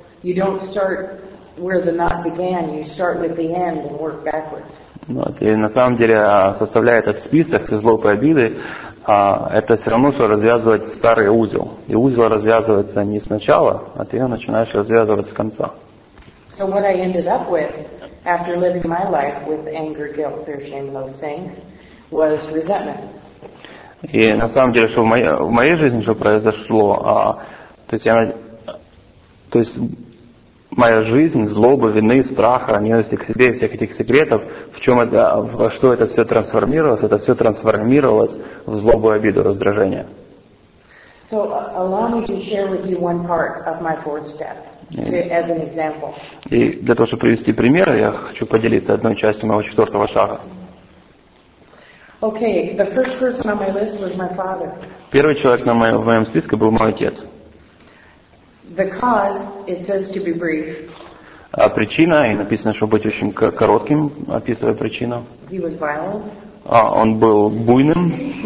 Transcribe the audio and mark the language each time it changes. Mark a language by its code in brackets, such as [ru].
[en] You don't start where the knot began, you start with the end and work backwards. [ru] Вот, и на самом деле составляя этот список из злоб и обиды, это все равно, что развязывать старый узел. И узел развязывается не сначала, а ты его начинаешь развязывать с конца. [en] So what I ended up with, after living my life with anger, guilt, fear, shame, those things, was resentment. [ru] И на самом деле, что в моей жизни что произошло, то есть я, то есть моя жизнь, злоба, вины, страха, ненависти к себе, всех этих секретов, в чем это, во что это все трансформировалось в злобу, обиду, раздражение. [en] So, allow me to share with you one part of my fourth step, as an example. [ru] И для того, чтобы привести пример, я хочу поделиться одной частью моего четвертого шага. [en] Okay, the first person on my list was my father. [ru] Первый человек на моем, в моем списке был мой отец. [en] The cause, it says to be brief. [ru] А причина, и написано, чтобы быть очень коротким, описывая причину. [en] He was violent. [ru] А, он был буйным.